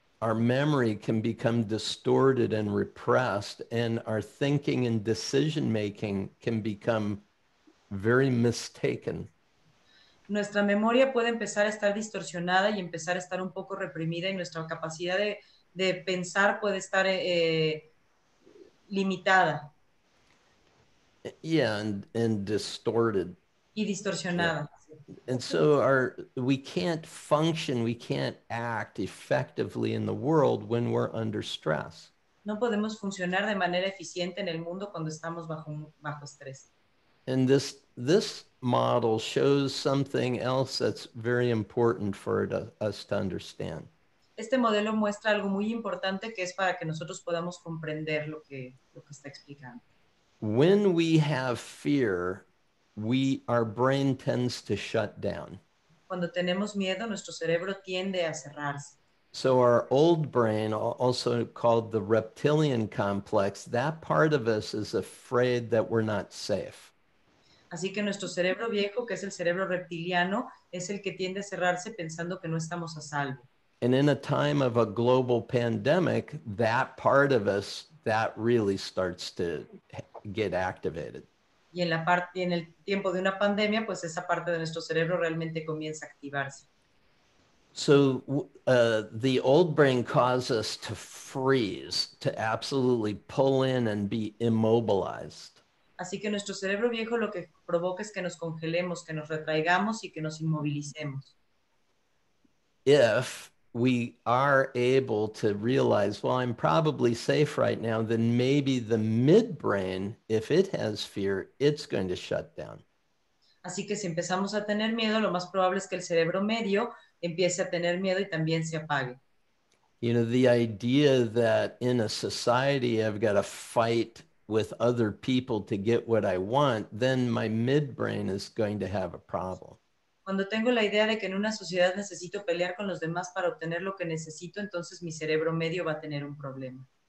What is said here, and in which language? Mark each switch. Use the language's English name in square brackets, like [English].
[English] Our memory can become distorted and repressed, and our thinking and decision making can become very mistaken. [Spanish] Nuestra memoria puede empezar a estar distorsionada y empezar a estar un poco reprimida, y nuestra capacidad de pensar puede estar limitada. [English] Yeah, and distorted. [Spanish] Y distorsionada. [English] And so we can't function, we can't act effectively in the world when we're under stress. [Spanish] No podemos funcionar de manera eficiente en el mundo cuando estamos bajo estrés. [English] And this model shows something else that's very important for us to understand. [Spanish] Este modelo muestra algo muy importante que es para que nosotros podamos comprender lo que está explicando. [English] When we have fear, our brain tends to shut down. [Spanish] Cuando tenemos miedo, nuestro cerebro tiende a cerrarse. [English] So our old brain, also called the reptilian complex, that part of us is afraid that we're not safe. [Spanish] Así que nuestro cerebro viejo, que es el cerebro reptiliano, es el que tiende a cerrarse pensando que no estamos a salvo. [English] And in a time of a global pandemic, that part of us, that really starts to get activated. [Spanish] Y en la parte, en el tiempo de una pandemia, pues esa parte de nuestro cerebro realmente comienza a activarse. [English] So the old brain causes us to freeze, to absolutely pull in and be immobilized. [Spanish] Así que nuestro cerebro viejo lo que provoca es que nos congelemos, que nos retraigamos y que nos inmovilicemos. [English] If we are able to realize, well, I'm probably safe right now, then maybe the midbrain, if it has fear, it's going to shut down. [Spanish] Así que si empezamos a tener miedo, lo más probable es que el cerebro medio empiece a tener miedo y también se apague. [English] You know, the idea that in a society I've got to fight with other people to get what I want, then my midbrain is going to have a problem. [Spanish] Cuando tengo la idea de que en una sociedad necesito pelear con los demás para obtener lo que necesito, entonces mi cerebro medio va a tener un problema.